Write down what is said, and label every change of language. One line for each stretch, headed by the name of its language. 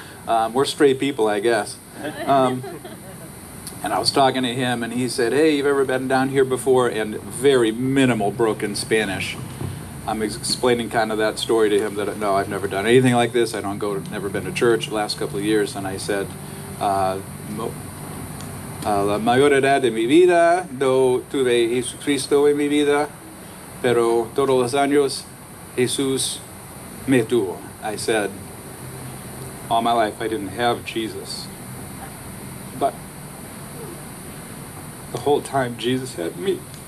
English: We're stray people, I guess. And I was talking to him, and he said, hey, you've ever been down here before? And very minimal broken Spanish. I'm explaining kind of that story to him, that, no, I've never done anything like this. I don't go, never been to church the last couple of years. And I said,
Spanish: la mayor edad de mi vida, no tuve Jesucristo en mi vida, pero todos los años Jesús me tuvo.
English: I said, all my life I didn't have Jesus. The whole time Jesus had me.